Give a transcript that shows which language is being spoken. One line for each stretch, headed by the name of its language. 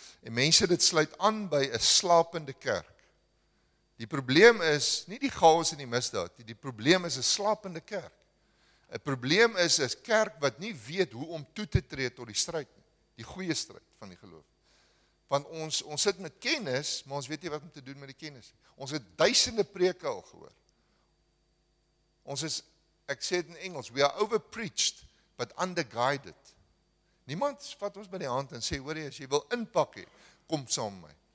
Afrikaans: En mense, dit sluit aan by 'n slapende kerk. Die probleem is nie die chaos en die misdaad, die probleem is 'n slapende kerk. 'N Probleem is 'n kerk wat nie weet hoe om toe te tree tot die stryd nie, die goeie stryd van die geloof. Want ons sit met kennis, maar ons weet nie wat om te doen met die kennis. Ons het duisende preke al gehoor. Ek sê dit in Engels,
English: we are overpreached, but underguided.
Afrikaans: Niemand vat ons by die hand en sê, hoorie, as jy wil inpak, kom saam met my.